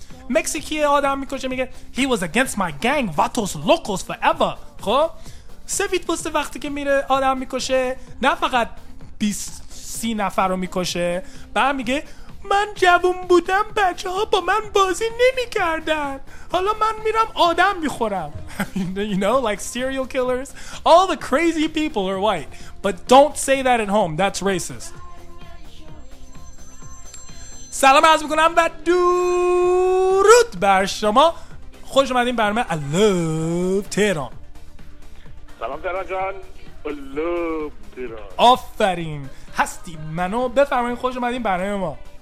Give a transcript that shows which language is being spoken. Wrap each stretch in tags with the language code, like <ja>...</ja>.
<fa>مکزیکی آدم میکشه میگه</fa> <en>he was against my gang vatos locos forever.</en> <fa>خب سفید پوست وقتی که میره آدم میکشه، نه فقط 20-30 نفر رو میکشه، بعد میگه من جوون بودم بچه ها با من بازی نمی کردن، حالا من میرم آدم میخورم.</fa> <en>You know, like serial killers, all the crazy people are white, but don't say that at home, that's racist.</en> <fa>سلام عرض میکنم و درود بر شما، خوش اومدین برنامه I Love Tehran. سلام تهران جان. I Love Tehran. آفرین هستی منو، بفرمایید خوش اومدین برنامه ما.</fa>